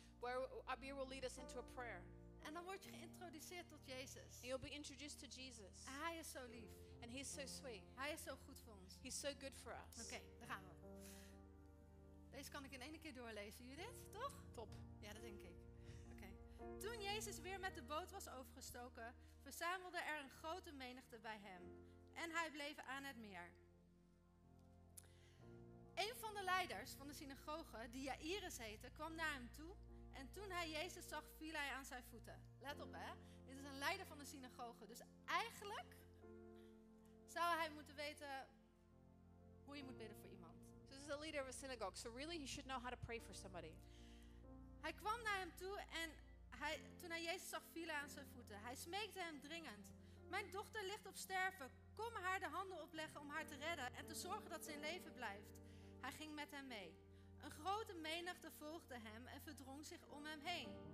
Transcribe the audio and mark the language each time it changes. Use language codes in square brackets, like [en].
[en] Where Abir will lead us into a prayer. [nl] En dan word je geïntroduceerd tot Jezus. [en] And you'll be introduced to Jesus. [nl] En hij is zo lief. [en] And he's so sweet. [nl] Hij is zo goed voor ons. [en] He's so good for us. [nl] Oké, okay, daar gaan we. Deze kan ik in één keer doorlezen, Judith, toch? Top. Ja, dat denk ik. Oké. Okay. Toen Jezus weer met de boot was overgestoken, verzamelde er een grote menigte bij hem. En hij bleef aan het meer. Een van de leiders van de synagoge, die Jairus heette, kwam naar hem toe. En toen hij Jezus zag, viel hij aan zijn voeten. Let op hè, dit is een leider van de synagoge. Dus eigenlijk zou hij moeten weten hoe je moet bidden voor iemand. [en] So this is a leader of a synagogue. So really he should know how to pray for somebody. [nl] Hij kwam naar hem toe en toen hij Jezus zag, viel hij aan zijn voeten. Hij smeekte hem dringend. Mijn dochter ligt op sterven. Kom haar de handen opleggen om haar te redden en te zorgen dat ze in leven blijft. Hij ging met hem mee. Een grote menigte volgde hem en verdrong zich om hem heen.